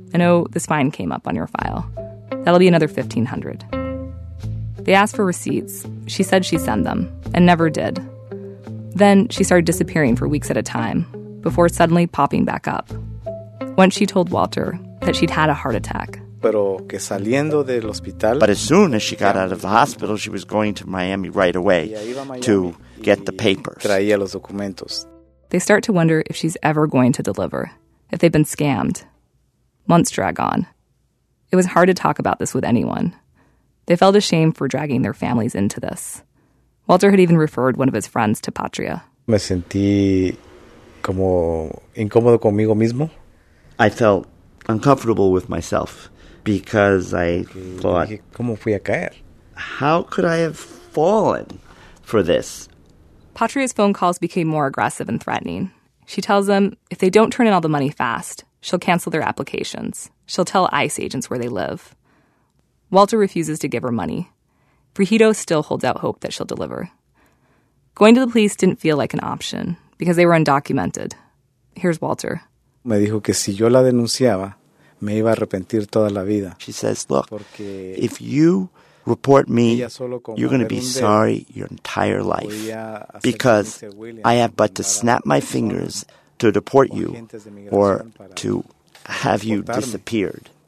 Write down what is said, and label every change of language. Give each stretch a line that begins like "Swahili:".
English: I know this fine came up on your file. That'll be another $1,500. They asked for receipts. She said she'd send them, and never did. Then she started disappearing for weeks at a time, before suddenly popping back up. Once she told Walter that she'd had a heart attack,
Spanish: pero que saliendo del hospital.
English: But as soon as she got out of the hospital, she was going to Miami right away to get the papers.
Spanish: Traía los documentos.
English: They start to wonder if she's ever going to deliver, if they've been scammed. Months drag on. It was hard to talk about this with anyone. They felt ashamed for dragging their families into this. Walter had even referred one of his friends to Patria.
Spanish: Me sentí como incómodo conmigo mismo.
English: I felt uncomfortable with myself because I thought,
Spanish: ¿cómo fui a caer?
English: How could I have fallen for this? Patria's phone calls became more aggressive and threatening. She tells them if they don't turn in all the money fast, she'll cancel their applications. She'll tell ICE agents where they live. Walter refuses to give her money. Brigido still holds out hope that she'll deliver. Going to the police didn't feel like an option because they were undocumented. Here's Walter.
Spanish: Me dijo que si yo la denunciaba, me iba a arrepentir toda la vida.
English: She says, look, if you report me, you're going to be sorry your entire life because I have but to snap my fingers to deport you or to have you disappeared.